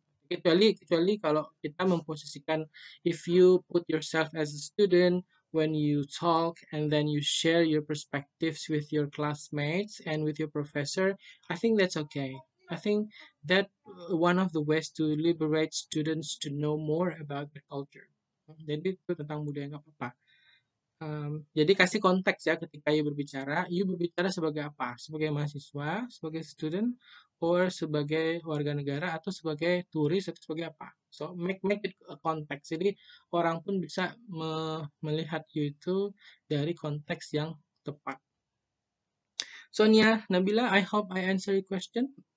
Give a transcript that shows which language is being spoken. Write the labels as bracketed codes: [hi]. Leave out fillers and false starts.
[id] Kecuali kalau kita memposisikan, [en] if you put yourself as a student when you talk and then you share your perspectives with your classmates and with your professor, I think that's okay. I think that one of the ways to liberate students to know more about the culture. [id] Jadi itu tentang budaya nggak apa-apa. Jadi kasih konteks ya ketika you berbicara. You berbicara sebagai apa? Sebagai mahasiswa, sebagai student, or sebagai warga negara atau sebagai turis atau sebagai apa? [en] So make it a context. [id] Jadi orang pun bisa melihat you itu dari konteks yang tepat. [en] Sonia Nabila, I hope I answer your question.